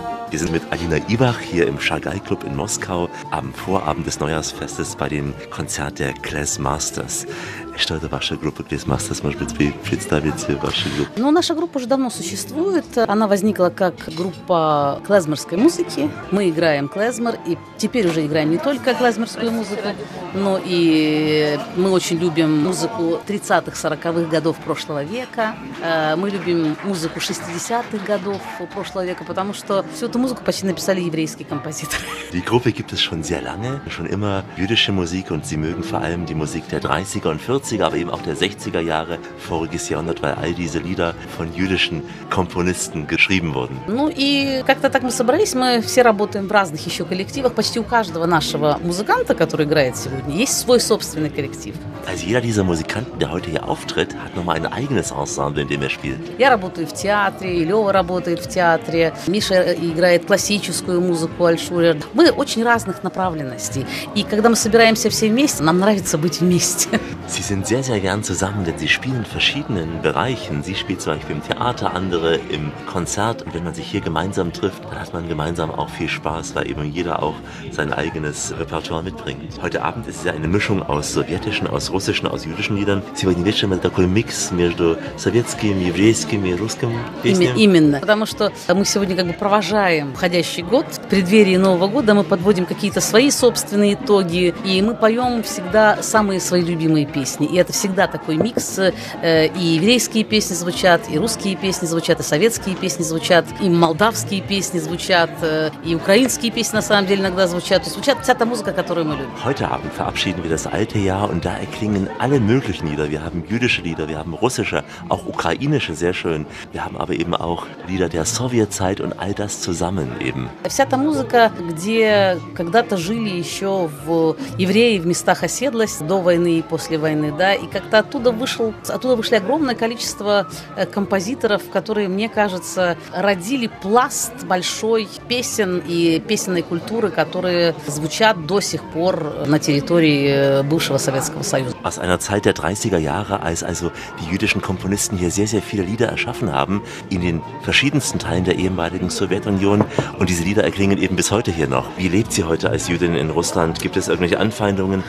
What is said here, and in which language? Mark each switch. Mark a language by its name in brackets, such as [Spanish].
[German] Wir sind mit Alina Ivach hier im Chagall-Club in Moskau am Vorabend des Neujahrsfestes bei dem Konzert der Class Masters. [Russian] Что это ваша группа Class Masters? Может быть, вы представите вашу группу? Ну, наша группа уже давно существует. Она возникла как группа клезмерской музыки. Мы играем клезмер и теперь уже играем не только клезмерскую музыку, но и мы очень любим музыку 30-40-х годов прошлого века. Мы любим музыку 60-х годов прошлого века, потому что всю эту музыку почти написали еврейские композиторы. [German] Die Gruppe gibt es schon sehr lange, schon immer jüdische Musik und sie mögen vor allem die Musik der 30er und 40er, aber eben auch der 60er Jahre voriges Jahrhundert, weil all diese Lieder von jüdischen Komponisten geschrieben wurden. [Russian] Ну и как-то так мы собрались, мы все работаем в разных еще коллективах, почти у каждого нашего музыканта, который играет сегодня, есть свой собственный коллектив. [German] Also jeder dieser Musikanten, der heute hier auftritt, hat nochmal ein eigenes Ensemble, in dem er spielt. [Russian] Я работаю в театре, Лёва работает в театре, Миша играет классическую музыку, Альшурер. Мы очень разных направленностей. И когда мы собираемся все вместе, нам нравится быть вместе. [German] Sie sind sehr, sehr gern zusammen, denn sie spielen in verschiedenen Bereichen. Sie spielt zum Beispiel im Theater, andere im Konzert. Und wenn man sich hier gemeinsam trifft, dann hat man gemeinsam auch viel Spaß, weil eben jeder auch sein eigenes Repertoire mitbringt. Heute Abend ist es ja eine Mischung aus sowjetischen, aus russischen, aus jüdischen Liedern. Sie wollen nicht schon mal [Russian] такой Mix между советским, еврейским и русским песням? Именно, потому что мы сегодня как бы провожаем входящий год. В преддверии Нового года мы подводим какие-то свои собственные итоги, и мы поем всегда самые свои любимые песни. И это всегда такой микс. И еврейские песни звучат, и русские песни звучат, и советские песни звучат, и молдавские песни звучат, и украинские песни на самом деле иногда звучат. То есть звучат вся та музыка, которую мы любим. [German] Heute Abend verabschieden wir das alte Jahr und da erklingen alle möglichen Lieder. Wir haben jüdische Lieder, wir haben russische, auch ukrainische, sehr schön. Wir haben aber eben auch Lieder der Sowjetzeit und all das zusammen eben. [Russian] Вся та музыка, где когда-то жили еще в евреи в местах оседлости до войны и после войны, да, и как-то оттуда вышли огромное количество композиторов, которые, мне кажется, родили пласт большой песен и песенной культуры, которые звучат до сих пор на территории бывшего Советского Союза. [German] Aus einer Zeit der 30er Jahre, als also die jüdischen Komponisten hier sehr, sehr viele Lieder erschaffen haben, in den verschiedensten Teilen der ehemaligen Sowjetunion, und diese Lieder erklingen eben bis heute hier noch. Wie lebt sie heute als Jüdin in Russland? Gibt es irgendwelche Anfeindungen?